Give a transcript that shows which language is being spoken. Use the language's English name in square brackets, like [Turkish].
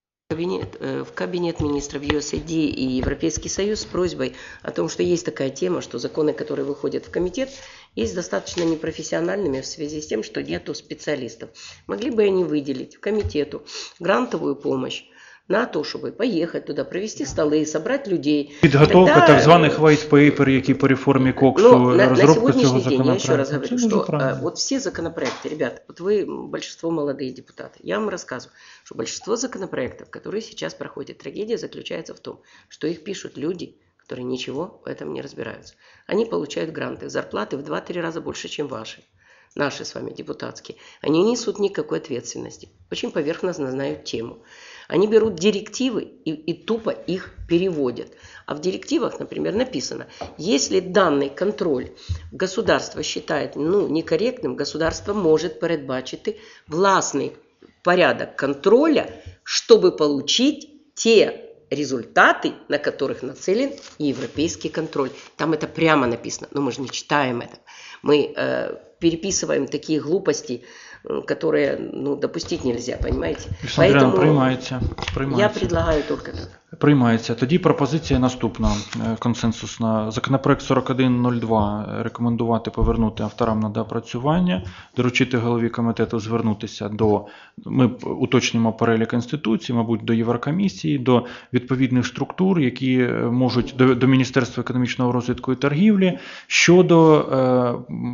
[Russian] В кабинет министров USAID и Европейский Союз с просьбой о том, что есть такая тема, что законы, которые выходят в комитет, есть достаточно непрофессиональными в связи с тем, что нету специалистов. Могли бы они выделить комитету грантовую помощь на то, чтобы поехать туда, провести столы, собрать людей. Подготовка так званых white paper, которые по реформе КОКСу, но разработка этого законопроекта. На сегодняшний день, я еще раз говорю, это что вот все законопроекты, ребят, вот вы большинство молодые депутаты, я вам рассказываю, что большинство законопроектов, которые сейчас проходят, трагедия заключается в том, что их пишут люди, которые ничего в этом не разбираются. Они получают гранты, зарплаты в 2-3 раза больше, чем ваши. Наши с вами депутатские, они не несут никакой ответственности, очень поверхностно знают тему. Они берут директивы и тупо их переводят. А в директивах, например, написано, если данный контроль государство считает некорректным, государство может предбачить властный порядок контроля, чтобы получить те результаты, на которых нацелен европейский контроль. Там это прямо написано, но мы же не читаем это. Мы переписываем такие глупости, которые допустить нельзя, понимаете? [Ukrainian] Александр, [Russian] поэтому [Ukrainian] приймається, приймається. [Russian] Я предлагаю только так. [Ukrainian] Приймається. Тоді пропозиція наступна, консенсусна. Законопроект 4102 рекомендувати повернути авторам на доопрацювання, доручити голові комітету звернутися до, ми уточнюємо перелік інституцій, мабуть, до Єврокомісії, до відповідних структур, які можуть, до Міністерства економічного розвитку і торгівлі, щодо